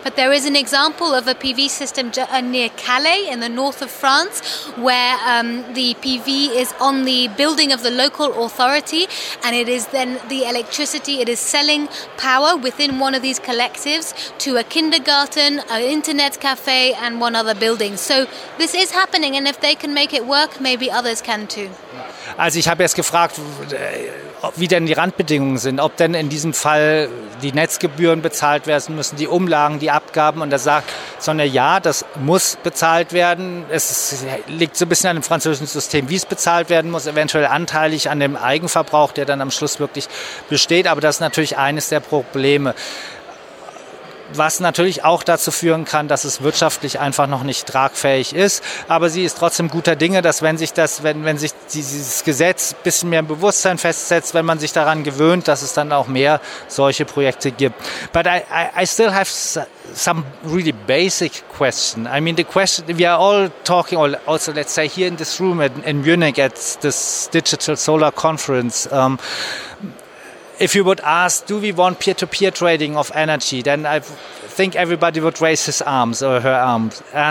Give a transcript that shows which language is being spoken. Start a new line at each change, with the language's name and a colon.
English: But there is an example of a PV system near Calais in the north of France, where the PV is on the building of the local authority, and it is then the electricity, it is selling power within one of these collectives to a kindergarten, an internet cafe and one other building. So this is happening, and if they can make it work, maybe others can too.
German: Also ich habe jetzt gefragt, wie denn die Randbedingungen sind, ob denn in diesem Fall die Netzgebühren bezahlt werden müssen, die Umlagen, die Abgaben, und da sagt sondern ja, das muss bezahlt werden. Es liegt so ein bisschen an dem französischen System, wie es bezahlt werden muss, eventuell anteilig an dem Eigenverbrauch, der dann am Schluss wirklich besteht, aber das ist natürlich eines der Probleme. Was natürlich auch dazu führen kann, dass es wirtschaftlich einfach noch nicht tragfähig ist. Aber sie ist trotzdem guter Dinge, dass wenn sich dieses Gesetz ein bisschen mehr im Bewusstsein festsetzt, wenn man sich daran gewöhnt, dass es dann auch mehr solche Projekte gibt.
English: But I still have some really basic question. I mean, the question, we are all talking, also let's say here in this room in Munich at this Digital Solar Conference, if you would ask, do we want peer-to-peer trading of energy, then I think everybody would raise his arms or her arms.